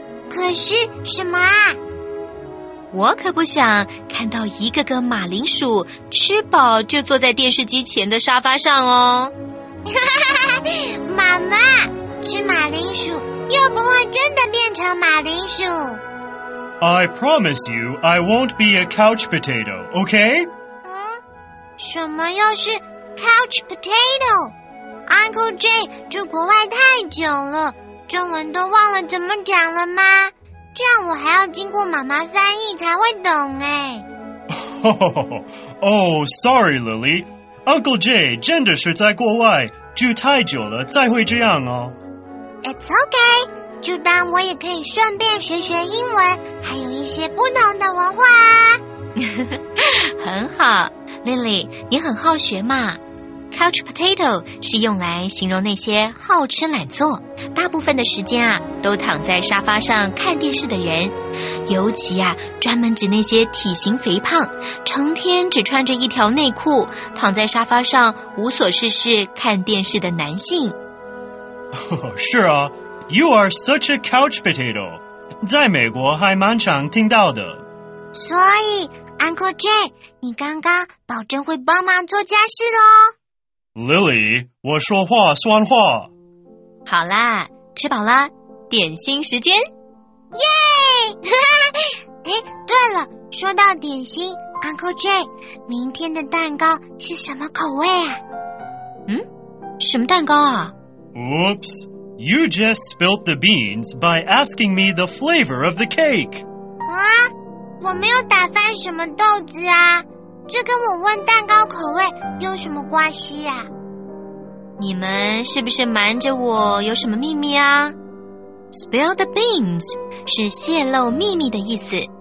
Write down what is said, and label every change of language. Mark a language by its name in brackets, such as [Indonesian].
[Chinese] 可是什么？我可不想看到一个个马铃薯吃饱就坐在电视机前的沙发上哦。妈妈，吃马铃薯又不会真的变成马铃薯。 [English] I promise you, I won't be a couch potato, okay? [Chinese] 什么又是 [English] couch potato? [Chinese] Uncle Jay 住国外太久了，中文都忘了怎么讲了吗？这样我还要经过妈妈翻译才会懂哎。 [English] Sorry, Lily. [Chinese] Uncle Jay 真的是在国外住太久了才会这样哦。 [English] It's okay. [Chinese] 就当我也可以顺便学学英文，还有一些不同的文化啊。很好 ，Lily， 你很好学嘛。 [English] Couch potato [Chinese] 是用来形容那些好吃懒做，大部分的时间啊，都躺在沙发上看电视的人，尤其啊，专门指那些体型肥胖，成天只穿着一条内裤，躺在沙发上无所事事看电视的男性。是啊 ， [English] You are such a couch potato， [Chinese] 在美国还蛮常听到的。所以 ，Uncle Jay， 你刚刚保证会帮忙做家事的哦。 Lily, 我说话算话。好啦，吃饱了，点心时间。耶！哎，对了，说到点心 ，Uncle Jay， 明天的蛋糕是什么口味啊？什么蛋糕啊 [English] ？Oops, you just spilt the beans by asking me the flavor of the cake. [Chinese] 啊，我没有打翻什么豆子啊。这跟我问蛋糕口味有什么关系啊？你们是不是瞒着我有什么秘密啊 ？ [English] Spill the beans [Chinese] 是泄露秘密的意思。